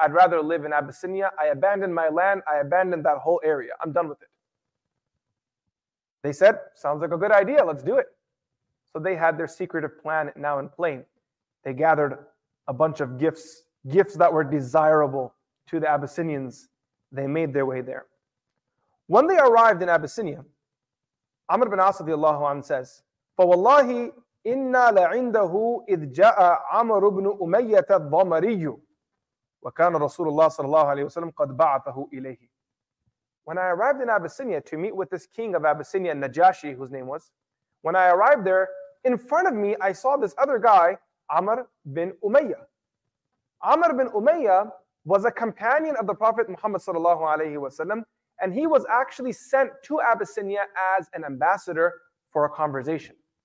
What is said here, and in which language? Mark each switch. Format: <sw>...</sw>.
<en>I'd rather live in Abyssinia. I abandon my land. I abandon that whole area. I'm done with it. They said, sounds like a good idea. Let's do it. So they had their secretive plan now in plain. They gathered a bunch of gifts, gifts that were desirable to the Abyssinians. They made their way there. When they arrived in Abyssinia, Amr bin As radiallahu anhu says,</en> <ar>فَوَاللَّهِ إِنَّا لَعِنْدَهُ إِذْ جَاءَ عَمَرُ بْنُ أُمَيَّةَ الضَّمَرِيُّ وَكَانَ رَسُولُ اللَّهِ صَلَى اللَّهُ عَلَيْهِ وَسَلَمْ قَدْ بَعَثَهُ إِلَيْهِ.</ar> <en>When I arrived in Abyssinia to meet with this king of Abyssinia, Najashi, whose name was, when I arrived there, in front of me, I saw this other guy, Amr bin Umayyah. Amr bin Umayyah was a companion of the Prophet Muhammad sallallahu alayhi wa sallam, and he was actually sent to Abyssinia as an ambassador for a conversation.</en>